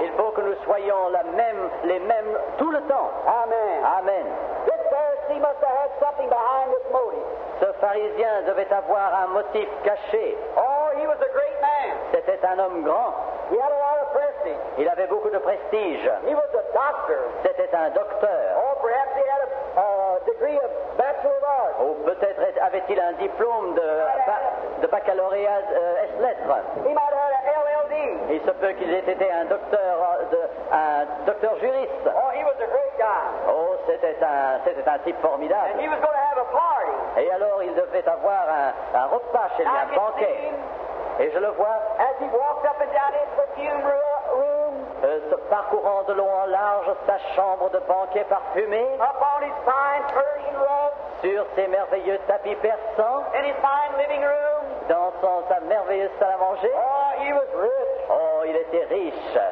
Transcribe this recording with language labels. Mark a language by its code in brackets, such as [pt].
[fr] Il faut que nous soyons la même, les mêmes tout le temps. [en] Amen. [fr] Amen. [en] This Pharisee must have had something behind this motive. [fr] Ce pharisien devait avoir un motif caché. [en] Oh, he was a great man. [fr] C'était un homme grand. [en] He had a lot of prestige. [fr] Il avait beaucoup de prestige. [en] He was a doctor. [fr] C'était un docteur. [en] Oh, perhaps he had a degree of bachelor of arts. [fr] Oh, peut-être avait-il un diplôme de baccalauréat S lettres. [en] He might have had an LLD. [fr] Il se peut qu'il ait été un docteur, un docteur juriste. [en] Oh, he was a great guy. [fr] Oh, c'était un type formidable. [en] And he was going to have a party. [fr] Et alors, il devait avoir un repas chez lui, un banquet. Et je le vois. [en] As he walked up and down into the fume room. [fr] Se parcourant de long en large sa chambre de banquet parfumée. [en] Up on his fine Persian rug. [fr] Sur ses merveilleux tapis persans. [en] In his fine living room. [fr] Dans sa merveilleuse salle à manger. [en] Oh, he was rich. [fr] Oh, il était riche.